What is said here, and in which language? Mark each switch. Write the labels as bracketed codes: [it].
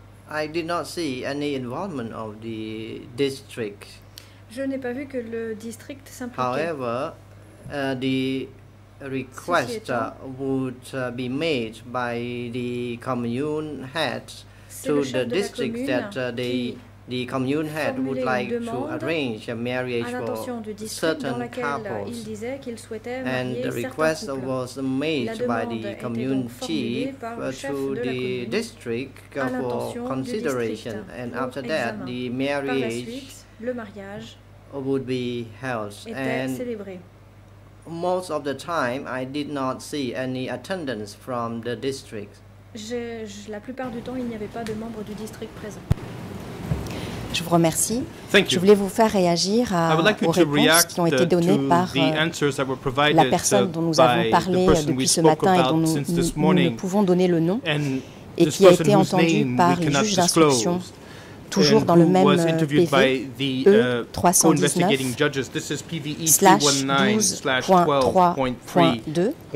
[en] I did not see any involvement of the district. [fr] Je n'ai pas vu que le district s'impliquait. [en] However, the request would be made by the commune head to the district that the commune head would like to arrange a marriage for certain couples. And the request was made by the commune chief to the district for consideration. And after that, the marriage would be held. And most of the time, I did not see any attendance from the district. [fr] La plupart du temps, il n'y avait pas de membres du district présents. Je vous remercie. [en] Thank you. [fr] Je voulais vous faire réagir à, [en] like [fr] aux réponses qui ont été données par la personne dont nous avons parlé depuis ce matin et dont nous ne pouvons donner le nom et qui a été entendue par le juge d'instruction, toujours dans le même PV E319/12.3.2.